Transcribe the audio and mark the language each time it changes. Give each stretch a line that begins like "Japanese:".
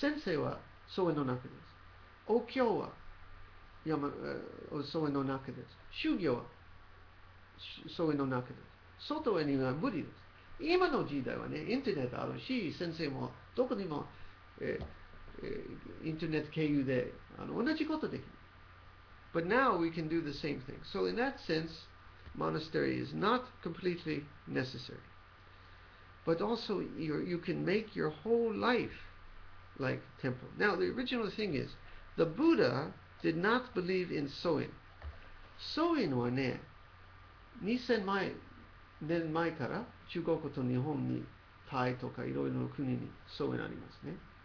Japanese: 先生はそういうの中です。お経は山、そういうの中です。修行はそういうの中です。外へには無理です。今の時代はね、インターネットあるし、先生もどこにも、インターネット経由で同じことできる。
English: But now we can do the same thing. So in that sense, monastery is not completely necessary. But also you can make your whole life like temple. Now the original thing is, the Buddha did not believe in soin.
Japanese: Soin はね、2000年前から中国と日本にタイとかいろいろの国にソインありますね。